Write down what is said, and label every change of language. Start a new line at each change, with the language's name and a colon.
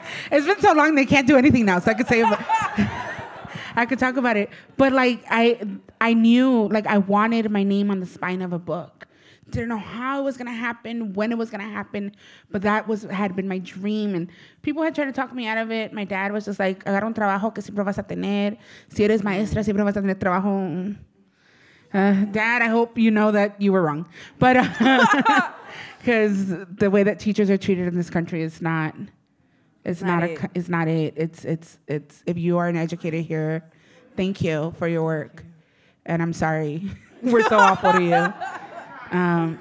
English: It's been so long, they can't do anything now, so I could say... I could talk about it. But, like, I knew, like, I wanted my name on the spine of a book. Didn't know how it was gonna happen, when it was gonna happen, but that was had been my dream. And people had tried to talk me out of it. My dad was just like,
Spanish: agarra un trabajo que siempre vas a tener. Si eres maestra, siempre vas a tener trabajo.
English: Dad, I hope you know that you were wrong. But, because the way that teachers are treated in this country is not, it's not it. It's, if you are an educator here, thank you for your work. And I'm sorry, we're so awful to you.